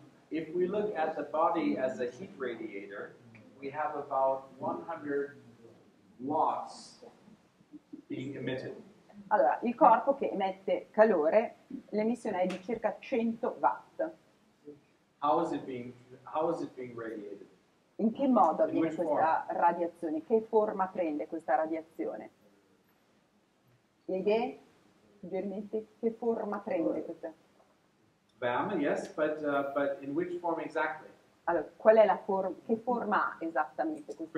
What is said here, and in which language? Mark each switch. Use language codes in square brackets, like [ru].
[en] If we look at the body as a heat radiator, we have about 100 watts being emitted. [it] Allora, il corpo che emette calore, l'emissione è di circa 100 watt. [en] How is it being radiated? [it] In che modo avviene questa radiazione? Che forma prende questa radiazione? Le idee, suggerimenti, che forma prende questa? [en] Bam, yes, but in which form exactly? [it] Allora, qual è la forma, che forma ha esattamente questa?